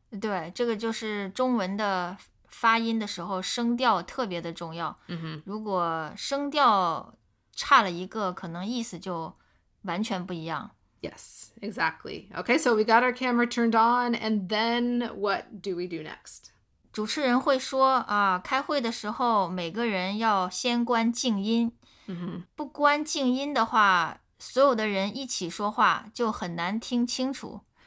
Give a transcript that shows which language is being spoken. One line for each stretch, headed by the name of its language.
Chinese: 对，这个就是中文的发音的时候声调特别的重要。 Mm-hmm. 如果声调差了一个，可能意思就完全不一样。
English: Yes, exactly. Okay, so we got our camera turned on, and then what do we do next?
Chinese: 主持人会说啊，开会的时候每个人要先关静音。 Mm-hmm. 不关静音的话，所有的人一起说话就很难听清楚。